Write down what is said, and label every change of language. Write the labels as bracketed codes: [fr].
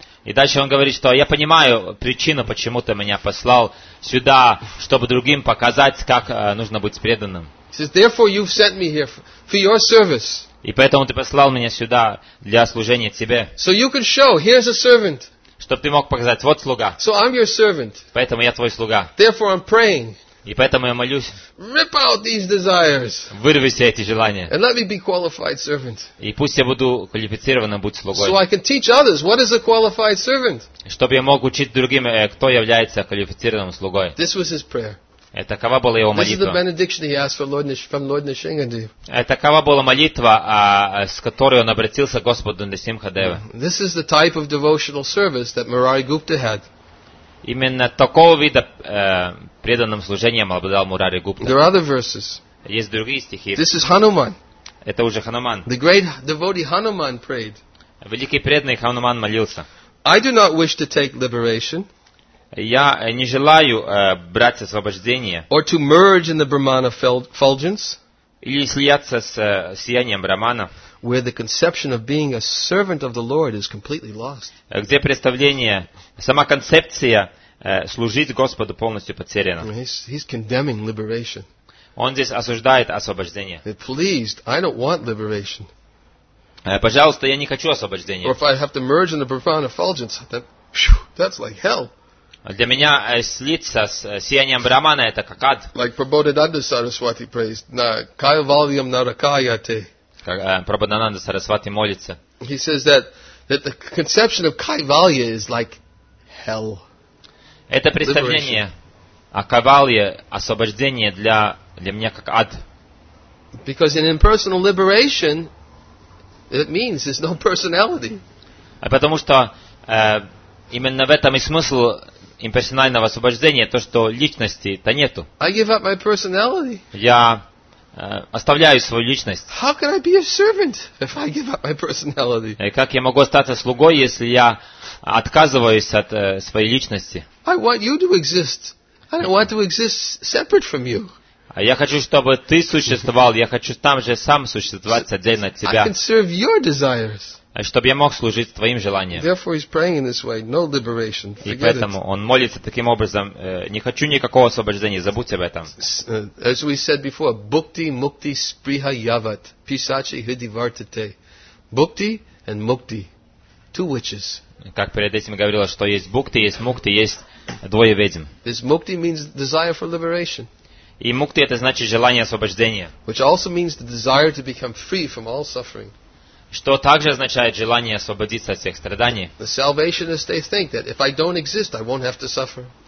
[ru] И дальше он говорит, что я понимаю причину, почему ты меня послал сюда, чтобы другим показать, как нужно быть преданным. [en] He says, therefore you've sent me here for your service. [ru] И поэтому ты послал меня сюда для служения тебе. [en] So you can show, here's a servant. [ru] Чтобы ты мог показать, вот слуга. [en] So I'm your servant. [ru] Поэтому я твой слуга. [en] Therefore I'm praying. [ru] И поэтому я молюсь. [en] Rip out these desires. [ru] Вырви все эти желания. [en] And let me be qualified servant. [ru] И пусть я буду квалифицированным быть слугой. [en] So I can teach others what is a qualified servant. [ru] Чтобы я мог учить другим, кто является квалифицированным слугой. [en] This was his prayer. [ru] Такова была его молитва. [en] This is the benediction he asked for Lord from Lord Nrisimhadeva. [ru] Такова была молитва, с которой он обратился к Господу Нрисимхадеве. [en] This is the type of devotional service that Murari Gupta had. [ru] Именно такого вида преданным служением обладал Мурари Гупта. [en] There are other verses. [ru] Есть другие стихи. [en] This is Hanuman. [ru] Это уже Хануман. [en] The great devotee Hanuman prayed. [ru] Великий преданный Хануман молился. [en] I do not wish to take liberation. [ru] Я не желаю брать освобождение. [en] Or to merge in the Brahmana fulgence. [ru] Или слияться с сиянием Брахмана. [en] Where the conception of being a servant of the Lord is completely lost. [ru] Где представление, сама концепция служить Господу полностью потеряна. [en] He's condemning liberation. [ru] Он здесь осуждает освобождение. [en] Please, I don't want liberation. [ru] Пожалуйста, я не хочу освобождения. [en] Or if I have to merge in the profound effulgence, that's like hell. [ru] Для меня слиться с сиянием Брахмана это как ад. [en] Like Prabodhananda Saraswati prays, [sa] na kaivalyam narakayate. [ru] Прабхудананда Сарасвати молится. [en] He says that the conception of Kaivalya is like hell. [ru] Это представление о Кайвалье, освобождение для меня как ад. [en] Because in impersonal liberation, it means there's no personality. [ru] Потому что именно в этом и смысл имперсонального освобождения, то что личности-то нету. [en] I give up my personality. [ru] Я оставляю свою личность. [en] How can I be a servant if I give up my personality? [ru] Как я могу остаться слугой, если я отказываюсь от своей личности? [en] I want you to exist. I don't want to exist separate from you. [ru] Я хочу, чтобы ты существовал. Я хочу там же сам существовать отдельно от тебя. [en] I can serve your desires. [ru] Чтобы я мог служить твоим желаниям. [en] Therefore he's praying in this way. No liberation. [ru] И поэтому он молится таким образом. Не хочу никакого освобождения. Забудь об этом. [sa] As we said before, bhukti mukti spriha yavat pisachi hidivartate. [en] Bhukti and mukti, two witches. [ru] Как перед этим говорилось, что есть бхукти, есть мукти, есть двое ведьм. [en] This mukti means desire for liberation. [ru] И мукти это значит желание освобождения. [en] Which also means the desire to become free from all suffering. [ru] Что также означает желание освободиться от всех страданий. [en] The salvationists, they think that if I don't exist, I won't have to suffer.